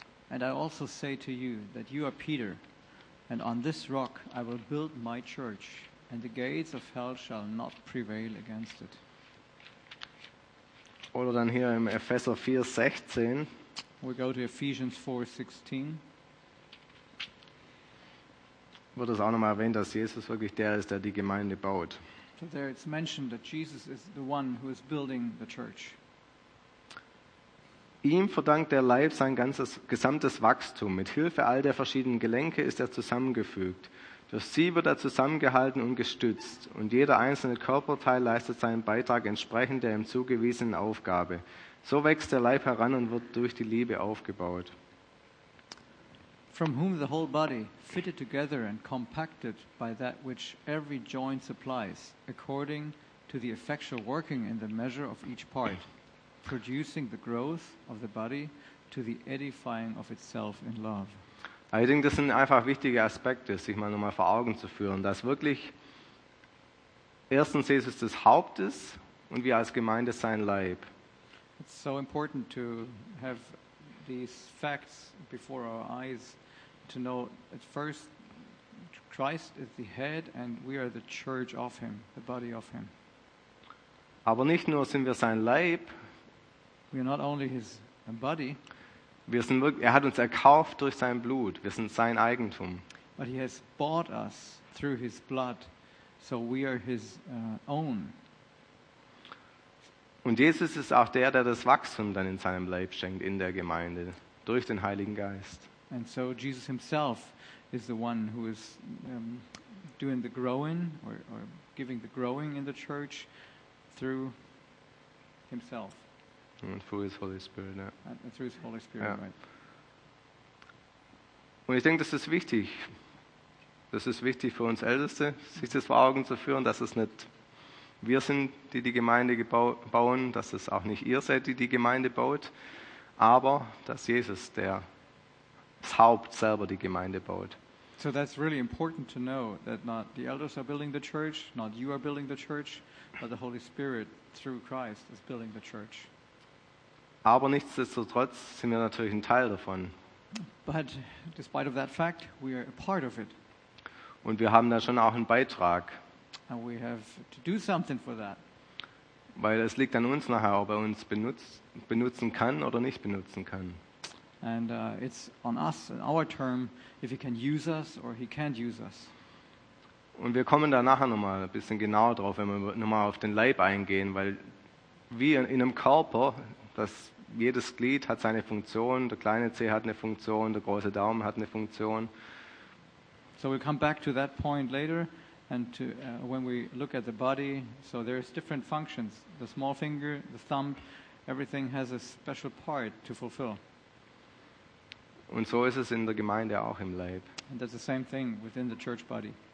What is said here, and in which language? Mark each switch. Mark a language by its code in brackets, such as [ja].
[en] And I also say to you that you are Peter and on this rock I will build my church and the gates of hell shall not prevail against it. [de] Oder dann hier im Epheser 4, 16. [en] We go to Ephesians 4, 16. [de] Wird es auch nochmal erwähnt, dass Jesus wirklich der ist, der die Gemeinde baut. [en] So there it's mentioned that Jesus is the one who is building the church. [de] Ihm verdankt der Leib sein ganzes, gesamtes Wachstum. Mit Hilfe all der verschiedenen Gelenke ist er zusammengefügt. Durch sie wird er zusammengehalten und gestützt. Und jeder einzelne Körperteil leistet seinen Beitrag entsprechend der ihm zugewiesenen Aufgabe. So wächst der Leib heran und wird durch die Liebe aufgebaut. [en] From whom the whole body, fitted together and compacted by that which every joint supplies, according to the effectual working in the measure of each part, producing the growth of the body to the edifying of itself in love. [de] Ich denke, das sind einfach wichtige Aspekte, sich mal nochmal vor Augen zu führen, dass wirklich erstens Jesus das Haupt ist und wir als Gemeinde sein Leib. [en] It's so important to have these facts before our eyes to know at first Christ is the head and we are the church of him, the body of him. [de] Aber nicht nur sind wir sein Leib, [en] we are not only his body, [de] wir sind wirklich, er hat uns erkauft durch sein Blut, wir sind sein Eigentum. [en] But he has bought us through his blood, so we are his own. [de] Und Jesus ist auch der, der das Wachstum dann in seinem Leib schenkt, in der Gemeinde, durch den Heiligen Geist. [en] And so Jesus himself is the one who is doing the growing or giving the growing in the church through himself. And through his Holy Spirit, yeah. And through his Holy Spirit, yeah. Right. [de] Und ich denke, das ist wichtig. Das ist wichtig für uns Älteste, sich das vor Augen zu führen, dass es nicht wir sind, die die Gemeinde bauen, dass es auch nicht ihr seid, die die Gemeinde baut, aber dass Jesus, der das Haupt, selber die Gemeinde baut. [en] So that's really important to know that not the elders are building the church, not you are building the church, but the Holy Spirit through Christ is building the church. [de] Aber nichtsdestotrotz sind wir natürlich ein Teil davon. [en] But despite of that fact, we are a part of it. [de] Und wir haben da schon auch einen Beitrag. [en] And we have to do something for that. [de] Weil es liegt an uns nachher, ob er uns benutzen kann oder nicht benutzen kann. [en] And it's on us, in our term, if he can use us or he can't use us. [de] Und wir kommen da nachher nochmal ein bisschen genauer drauf, wenn wir nochmal auf den Leib eingehen, weil wir in einem Körper, dass jedes Glied hat seine Funktion, der kleine Zeh hat eine Funktion, der große Daumen hat eine Funktion. [en] So we'll come back to that point later, and to when we look at the body, so there's different functions. The small finger, the thumb, everything has a special part to fulfill. [de] Und so ist es in der Gemeinde auch im Leib. [en] And that's the same thing within the church body.